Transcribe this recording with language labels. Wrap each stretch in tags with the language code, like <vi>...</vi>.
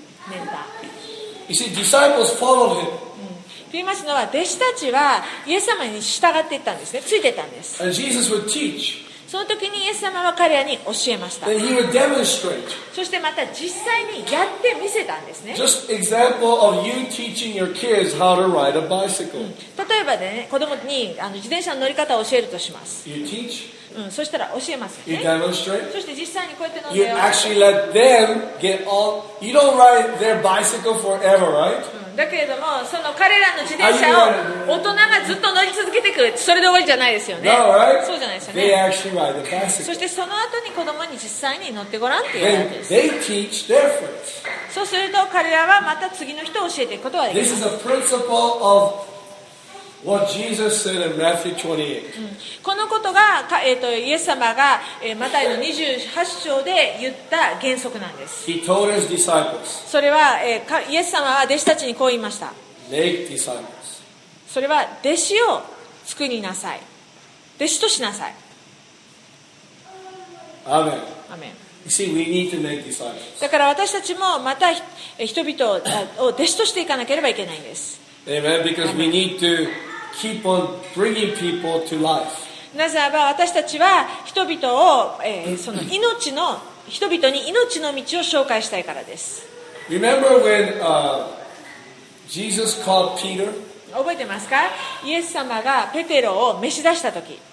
<ja>メンター。</ja> <en>You see, disciples followed him.</en> <ja>と言いますのは、弟子たちはイエス様に従っていったんですね。ついていったんです。</ja> <en>And Jesus would teach.</en> <ja>その時にイエス様は彼らに教えました。</ja> <en>Then he would demonstrate.</en> <ja>そしてまた実際にやってみせたんですね。</ja> <en>Just example of you teaching your kids how to ride a bicycle.</en> <ja>例えばね、子供に自転車の乗り方を教えるとします。</ja> <en>You teach.</en> <ja>そしたら教えます</ja> <en>よ、ね、you demonstrate.</en> <ja>そして実際にこうやって乗</ja> <en>って You actually let them get on. You don't ride their bicycle forever, right?</en> <ja>だけれどもその彼らの自転車を大人がずっと乗り続けてくるそれで終わりじゃないですよね</ja> <en>No, right?</en> <ja>そうじゃないですよね</ja> <en>They actually ride the bicycle.</en> <ja>そしてその後に子供に実際に乗ってごらんっていうわけです</ja> <en>They teach their friends.</en> <ja>そうすると彼らはまた次の人を教えていくことができます</ja> <en>This is a principle ofWhat Jesus said in Matthew 28.</en> <ja>このことが、イエス様が、マタイの28章で言った原則なんです。</ja> <en>He told his disciples.</en> <ja>それは、イエス様は弟子たちにこう言いました。</ja> <en>Make disciples.</en> <ja>それは弟子を作りなさい。弟子としなさい。</ja> <en>Amen. Amen. You see, we need to make disciples.</en> <ja>だから私たちもまた人々を弟子としていかなければいけないんです。</ja> <en>Amen. Because we need to keep on bringing people to life.</en> <ja>なぜならば私たちは人々を、その命の人々に命の道を紹介したいからです。</ja> <en>Remember when Jesus called Peter?</en> <ja>覚えてますか？イエス様がペテロを召し出した時。</ja>